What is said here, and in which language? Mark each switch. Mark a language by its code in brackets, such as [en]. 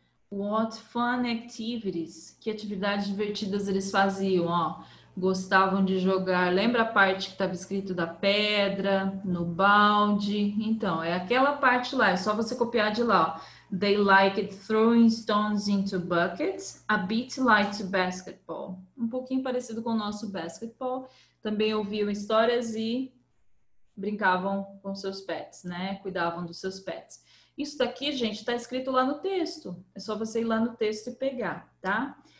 [en] What fun activities? [pt] Que atividades divertidas eles faziam, ó. Gostavam de jogar. Lembra a parte que estava escrito da pedra, no balde? Então, é aquela parte lá, é só você copiar de lá, ó. [en] They liked throwing stones into buckets, a bit like basketball. [pt] Um pouquinho parecido com o nosso basketball. Também ouviam histórias e brincavam com seus pets, né? Cuidavam dos seus pets. Isso daqui, gente, está escrito lá no texto. É só você ir lá no texto e pegar, tá?